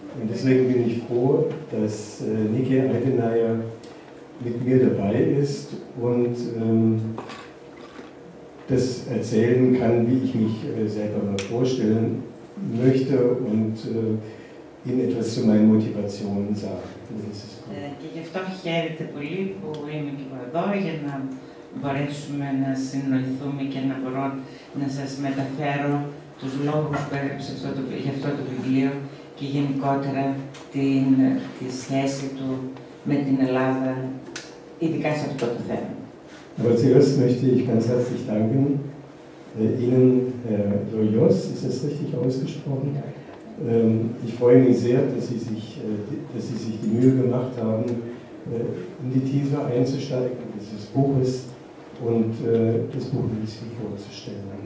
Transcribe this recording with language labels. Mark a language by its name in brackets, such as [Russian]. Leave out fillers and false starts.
[German] Deswegen bin ich froh, dass Nike Altenayer mit mir dabei ist und das erzählen kann, wie ich mich selber vorstellen möchte und ihm etwas zu meinen Motivationen sagen. Das ist es. [Greek] Και γι' αυτό χαίρεται πολύ που είμαι και εδώ για να μπορέσουμε να συνοηθούμε και να μπορώ να σας μεταφέρω τους λόγους που έγραψε γι' αυτό το βιβλίο και γενικότερα τη σχέση του με την Ελλάδα, ειδικά σε αυτό το θέμα. [German] Aber zuerst möchte ich ganz herzlich danken Ihnen, Herr Loyos, ist das richtig ausgesprochen? Ich freue mich sehr, dass Sie sich die Mühe gemacht haben, in die Tiefe einzusteigen dieses Buches und das Buch ein bisschen vorzustellen.